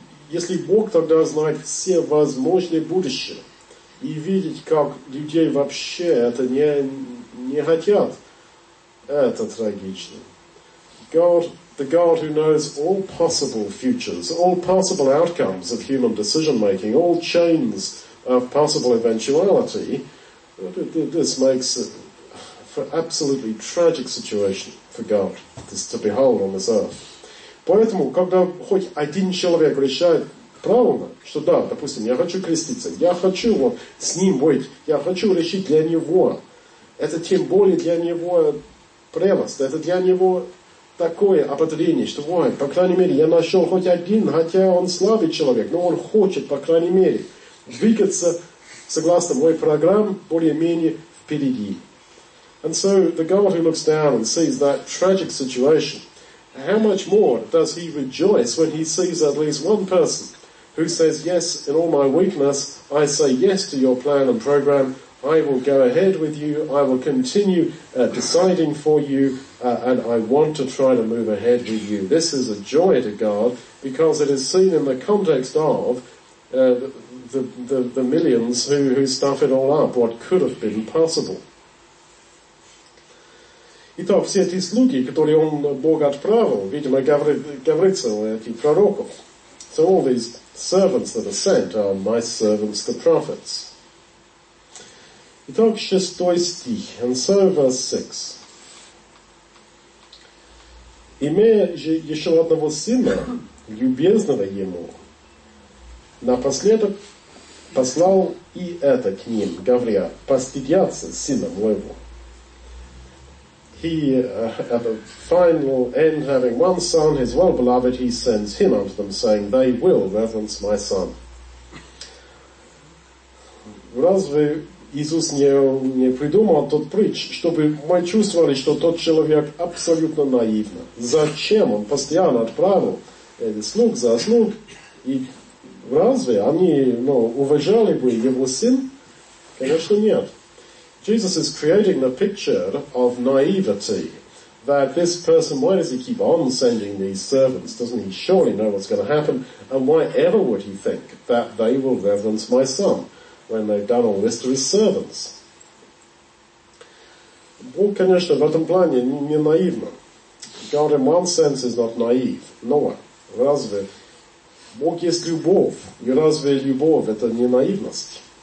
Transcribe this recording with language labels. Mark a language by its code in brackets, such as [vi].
[ru] Если Бог тогда знает все возможные будущие и видеть, как людей вообще это не хотят, это трагично. [en] God, the God who knows all possible futures, all possible outcomes of human decision-making, all chains of possible eventuality, this makes for absolutely tragic situation for God this to behold on this earth. [ru] Поэтому, когда хоть один человек решает правильно, что да, допустим, я хочу креститься, я хочу вот с ним быть, я хочу решить для него, это тем более для него прелесть, это для него такое ободрение, что, ой, по крайней мере, я нашел хоть один, хотя он слабый человек, но он хочет, по крайней мере, двигаться, согласно моей программе, более-менее впереди. [en] And so the God who looks down and sees that tragic situation, how much more does he rejoice when he sees at least one person who says, yes, in all my weakness, I say yes to your plan and program. I will go ahead with you. I will continue deciding for you. And I want to try to move ahead with you. This is a joy to God because it is seen in the context of the millions who stuff it all up, what could have been possible. [ru] Итак, все эти слуги, которые он Бог отправил, видимо, говорится у этих пророков. [en] So all these servants that are sent are my servants, the prophets. [ru] Итак, 6 стих. [en] And so verse 6. [ru] Имея же еще одного сына, любезного ему, напоследок послал и это к ним, говоря, постыдятся сына моего. [en] He, at the final end, having one son, his well-beloved, he sends him unto them, saying, they will reverence my son. [ru] Разве Иисус не придумал тот притч, чтобы мы чувствовали, что тот человек абсолютно наивен. Зачем он постоянно отправил слуг за слуг? И разве они уважали бы его сын? Конечно, нет. [en] Jesus is creating a picture of naivety, that this person, why does he keep on sending these servants? Doesn't he surely know what's going to happen? And why ever would he think that they will reverence my son when they've done all this to his servants? [ru] Бог, конечно, в этом плане не наивно. [en] God in one sense is not naive. [ru] Но разве Бог есть любовь? И разве любовь это не наивность?